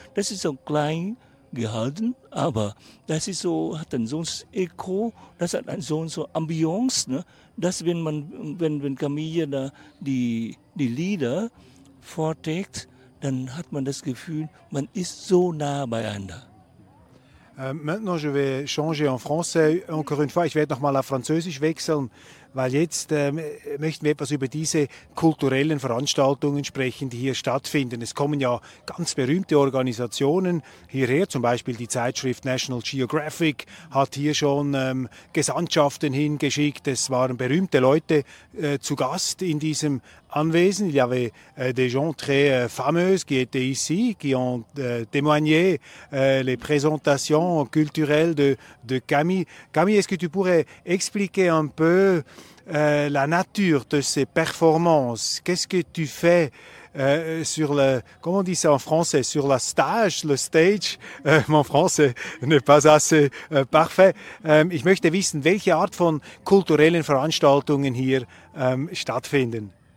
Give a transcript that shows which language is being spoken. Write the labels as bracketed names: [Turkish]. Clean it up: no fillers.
[German] Das ist so klein gehalten, aber das ist so, hat ein so ein Echo, das hat ein so Ambiance, ne? Dass wenn Camille da die Lieder vorträgt, dann hat man das Gefühl, man ist so nah beieinander. [French] Maintenant, je vais changer en français. Encore une fois, [German] ich werde nochmal auf Französisch wechseln, weil jetzt möchten wir etwas über diese kulturellen Veranstaltungen sprechen, die hier stattfinden. Es kommen ja ganz berühmte Organisationen hierher, zum Beispiel die Zeitschrift National Geographic hat hier schon Gesandtschaften hingeschickt. Es waren berühmte Leute zu Gast in diesem Anwesen. [French] Il y avait des gens très fameux qui étaient ici, qui ont témoigné les présentations culturelles de Camille. Camille, est-ce que tu pourrais expliquer un peu la nature de ces performances? Qu'est-ce que tu fais sur le, comment on dit ça en français, sur la stage, le stage? Mon français n'est pas assez parfait. [German] Ich möchte wissen, welche Art von kulturellen Veranstaltungen hier stattfinden.